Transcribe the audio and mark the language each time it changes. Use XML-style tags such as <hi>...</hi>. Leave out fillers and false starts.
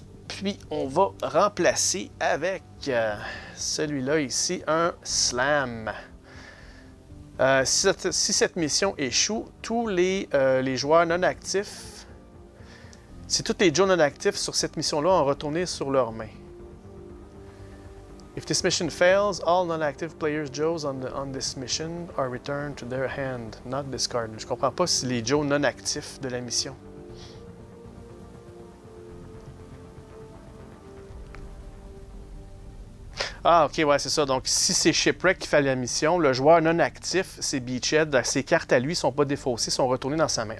<fr>Puis on va remplacer avec celui-là ici, un slam. Si cette mission échoue, tous les joueurs non actifs, si tous les joueurs non actifs sur cette mission-là ont retourné sur leurs mains.</fr> <en>If this mission fails, all non-active players Joes on this mission are returned to their hand, not discarded.</en> <fr>Je comprends pas si les Joes non-actifs de la mission. Ah, OK, ouais, c'est ça. Donc, si c'est Shipwreck qui fait la mission, le joueur non-actif, c'est Beachhead, ses cartes à lui sont pas défaussées, sont retournées dans sa main.</fr>